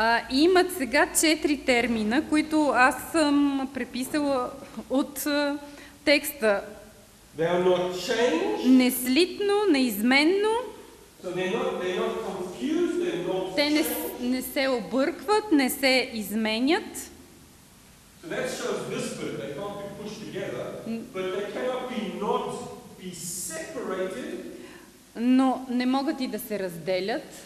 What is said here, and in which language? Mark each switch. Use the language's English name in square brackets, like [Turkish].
[Bulgarian] Имат сега четири термина, които аз съм преписала от текста. [English] They are not changed. [Bulgarian] Неслитно, неизменно. [English] So they're not confused, they're not changed. [Bulgarian] Те не се объркват, не се изменят. [English] So that shows this bit. They can't be pushed together, but they cannot be not be separated. [Bulgarian] Но не могат и да се разделят.